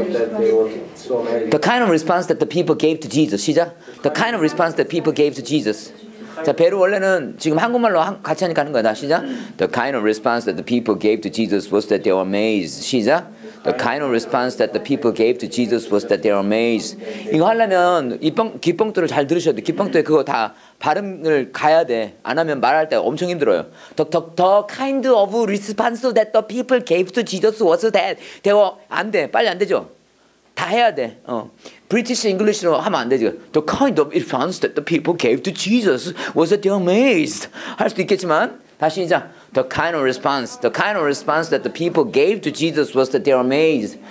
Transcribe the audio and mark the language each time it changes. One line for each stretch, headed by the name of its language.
English: The kind of response that the people gave to Jesus.
Korean: 시작.
English: The kind of response that people gave to Jesus.
Korean: 자, 베르 원래는 지금 한국말로 같이 하니까 하는 거야. 다 시작.
English: The kind of response that the people gave to Jesus was that they were amazed.
Korean: 시작.
English: The kind of response that the people gave to Jesus was that they were amazed.
Korean: 이거 하려면 기뻉뚜를 잘 들으셔야 돼. 기뻉뚜에 그거 다 발음을 가야 돼. 안 하면 말할 때 엄청 힘들어요.
English: The kind of response that the people gave to Jesus was that they were
Korean: 안 돼. 빨리 안 되죠? 다 해야 돼. 어. British English로 하면 안 되죠.
English: The kind of response that the people gave to Jesus was that they were amazed.
Korean: 할 수도 있겠지만 다시 이제
English: The kind of response that the people gave to Jesus was that they were amazed.